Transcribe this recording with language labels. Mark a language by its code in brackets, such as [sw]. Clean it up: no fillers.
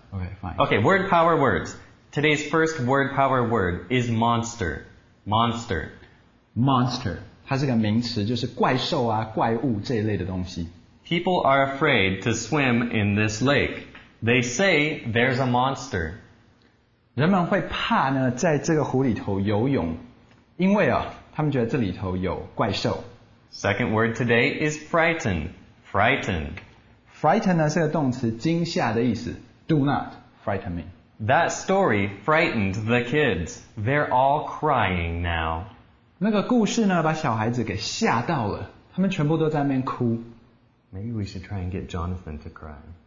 [en] Okay, fine. Okay, word power words. Today's first word power word is monster. Monster. [zh] Monster, 它是个名词，就是怪兽啊、怪物这一类的东西。 [en] People are afraid to swim in this lake. They say there's a monster. [zh] 人们会怕呢，在这个湖里头游泳，因为啊，他们觉得这里头有怪兽。 [en] Second word today is frighten. Frighten. [zh] Frighten 呢是个动词，惊吓的意思。 [en] Do not frighten me. That story frightened the kids. They're all crying now. [zh] 那个故事呢把小孩子给吓到了他们全部都在那边哭 [en] Maybe we should try and get Jonathan to cry